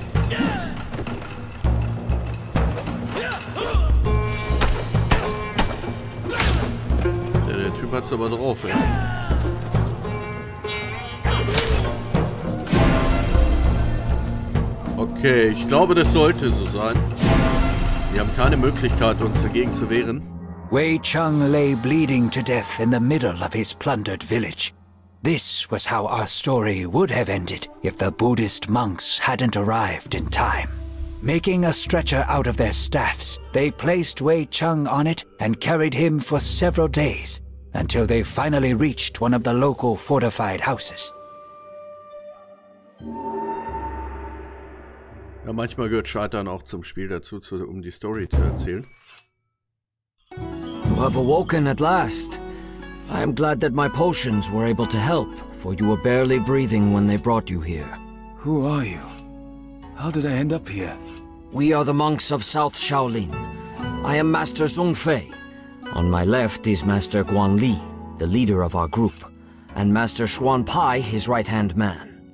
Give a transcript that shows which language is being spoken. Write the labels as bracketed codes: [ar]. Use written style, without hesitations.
[de] Ja, der Typ hat's aber drauf, ey. Okay, ich glaube, das sollte so sein. Wir haben keine Möglichkeit, uns dagegen zu wehren. [en] Wei Chung lay bleeding to death in the middle of his plundered village. This was how our story would have ended if the Buddhist monks hadn't arrived in time. Making a stretcher out of their staffs, they placed Wei Chung on it and carried him for several days until they finally reached one of the local fortified houses. [de] Ja, manchmal gehört Scheitern auch zum Spiel dazu, um die Story zu erzählen. [en] You have awoken at last. I am glad that my potions were able to help, for you were barely breathing when they brought you here. Who are you? How did I end up here? We are the monks of South Shaolin. I am Master Zhong Fei. On my left is Master Guan Li, the leader of our group, and Master Xuan Pai, his right-hand man.